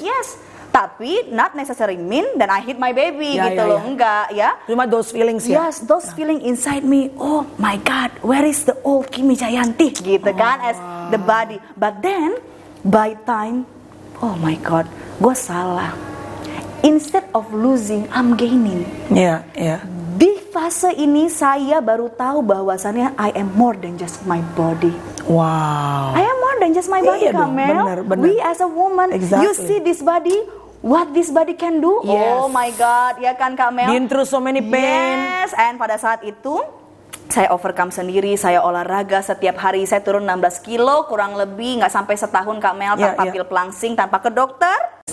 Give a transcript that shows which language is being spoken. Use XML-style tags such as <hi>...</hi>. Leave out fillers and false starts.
<en>Yes.</en> <id>Tapi</id> <en>not necessary mean that I hit my baby</en> <id>loh. Enggak ya. Cuma</id> <en>those feelings ya. Yes, those feeling inside me. Oh my God, where is the old Kimi Jayanti?</en> <id>Gitu kan,</id> <en>as the body. But then, by time, oh my God,</en> <id>gue salah.</id> <en>Instead of losing, I'm gaining.</en> <id>Di fase ini saya baru tahu bahwasannya</id> <en>I am more than just my body. Wow. I am more than just my body, Kamel.</en> <id>Bener.</id> <en>We as a woman, exactly. You see this body, what this body can do? Yes. Oh my God,</en> <id>ya kan,</id> <en>Kamel? Been through so many pain.</en> <id>Yes, and pada saat itu saya overcome sendiri, saya olahraga setiap hari, saya turun 16 kilo kurang lebih, gak sampai setahun, Kamel, tanpa pil pelangsing, tanpa ke dokter.</id>